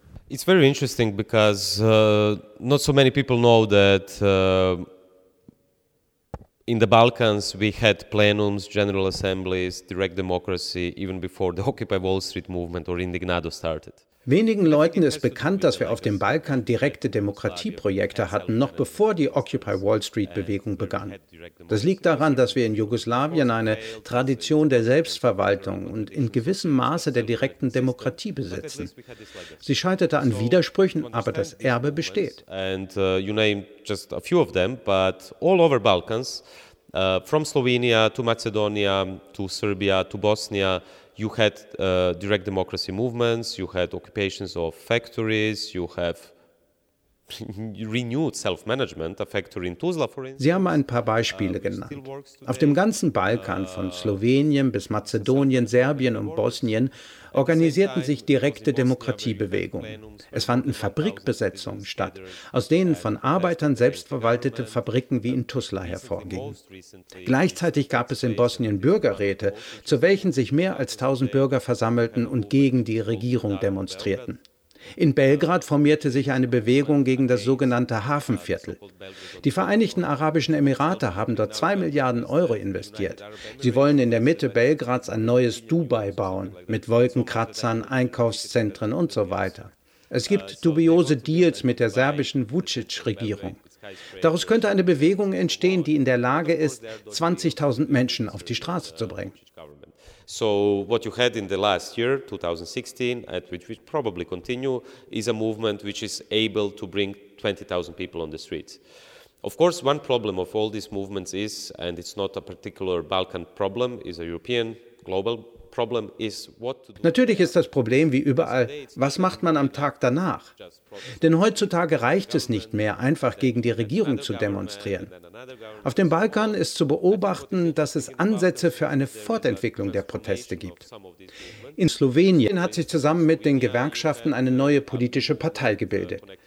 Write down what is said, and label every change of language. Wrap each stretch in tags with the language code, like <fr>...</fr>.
<en>It's very interesting because not so many people know that in the Balkans we had plenums, general assemblies, direct democracy even before the Occupy Wall Street movement or Indignado started.</en> <de>Wenigen Leuten ist bekannt, dass wir auf dem Balkan direkte Demokratieprojekte hatten, noch bevor die Occupy Wall Street Bewegung begann. Das liegt daran, dass wir in Jugoslawien eine Tradition der Selbstverwaltung und in gewissem Maße der direkten Demokratie besitzen. Sie scheiterte an Widersprüchen, aber das Erbe besteht.</de> <en>And you name just a few of them, but all over Balkans, from Slovenia to Macedonia to Serbia to Bosnia, you had direct democracy movements, you had occupations of factories, you have renewed self-management, a factory in Tuzla, for instance.</en> <de>Sie haben ein paar Beispiele genannt. Auf dem ganzen Balkan, von Slowenien bis Mazedonien, Serbien und Bosnien, organisierten sich direkte Demokratiebewegungen. Es fanden Fabrikbesetzungen statt, aus denen von Arbeitern selbstverwaltete Fabriken wie in Tuzla hervorgingen. Gleichzeitig gab es in Bosnien Bürgerräte, zu welchen sich mehr als 1000 Bürger versammelten und gegen die Regierung demonstrierten. In Belgrad formierte sich eine Bewegung gegen das sogenannte Hafenviertel. Die Vereinigten Arabischen Emirate haben dort 2 Milliarden Euro investiert. Sie wollen in der Mitte Belgrads ein neues Dubai bauen, mit Wolkenkratzern, Einkaufszentren und so weiter. Es gibt dubiose Deals mit der serbischen Vucic-Regierung. Daraus könnte eine Bewegung entstehen, die in der Lage ist, 20.000 Menschen auf die Straße zu bringen.</de> <en>So what you had in the last year, 2016, at which we probably continue, is a movement which is able to bring 20,000 people on the streets. Of course, one problem of all these movements is, and it's not a particular Balkan problem, is a European global problem, is what to do.</en> <de>Natürlich ist das Problem wie überall, was macht man am Tag danach? Denn heutzutage reicht es nicht mehr, einfach gegen die Regierung zu demonstrieren. Auf dem Balkan ist zu beobachten, dass es Ansätze für eine Fortentwicklung der Proteste gibt. In Slowenien hat sich zusammen mit den Gewerkschaften eine neue politische Partei gebildet.</de>